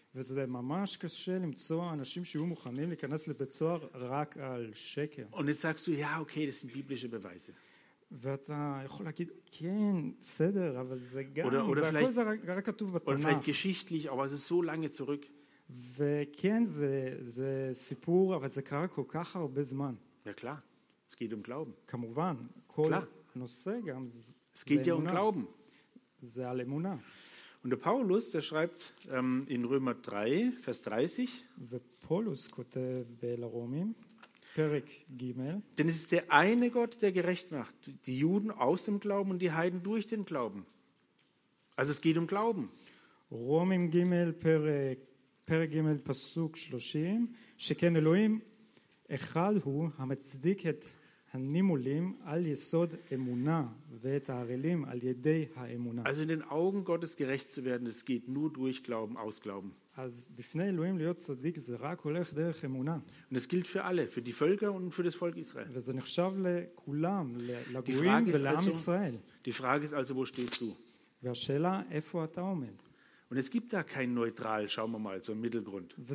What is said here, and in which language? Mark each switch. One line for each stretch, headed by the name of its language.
Hebrew: וזה ממש קשה למצוא אנשים שיהיו מוכנים להיכנס לבית סוהר רק על שקר.
German: Und jetzt sagst du, ja, okay, das sind biblische Beweise.
Hebrew: ואתה יכול להגיד, כן, בסדר, אבל זה גם, והכל זה רק כתוב בתנ"ך.
German: Oder vielleicht geschichtlich, aber es ist so lange zurück.
Hebrew: וכן, זה סיפור, אבל זה קרה כל כך הרבה זמן.
German: Ja klar, es geht um Glauben.
Hebrew: כמובן, כל הנושא גם זה אמונה.
German: Es geht ja um Glauben.
Hebrew: זה על אמונה.
German: Und der Paulus, der schreibt in Römer 3, Vers 30.
Hebrew: ופולוס כותב בלרומים, פרק ג'
German: Denn es ist der eine Gott, der gerecht macht. Die Juden aus dem Glauben und die Heiden durch den Glauben. Also es geht um Glauben.
Hebrew: רומים ג' פרק ג' פסוק 30, שכן אלוהים אחד הוא המצדיק את הנימולים על יסוד אמונה ואת הערלים על ידי האמונה.
German: Also in den Augen Gottes gerecht zu werden, es geht nur durch Glauben, aus Glauben.
Hebrew: אז בפני אלוהים להיות צדיק זה רק הולך דרך אמונה.
German: Und es gilt für alle, für die Völker und für das Volk Israel.
Hebrew: וזה נחשב לכולם, לגויים ולעם ישראל.
German: Die Frage ist also, wo stehst du?
Hebrew: והשאלה, איפה אתה עומד?
German: Und es gibt da kein neutral, schauen wir mal, so ein Mittelgrund.